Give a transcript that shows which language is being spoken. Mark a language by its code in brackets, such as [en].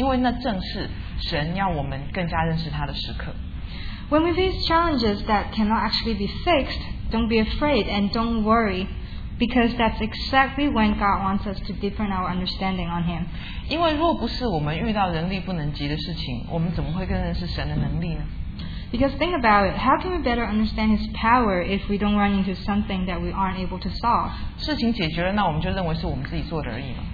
[zh] 当我们遇到关卡，知道是我们所不能够解决的问题的时候，不要害怕，也不要忧愁，因为那正是神要我们更加认识他的时刻。 [en] When we face challenges that cannot actually be fixed, don't be afraid and don't worry, because that's exactly when God wants us to deepen our understanding on Him. [zh] 因为若不是我们遇到人力不能及的事情，我们怎么会更认识神的能力呢？ [en] Because think about it, how can we better understand His power if we don't run into something that we aren't able to solve? [zh] 事情解决了，那我们就认为是我们自己做的而已嘛。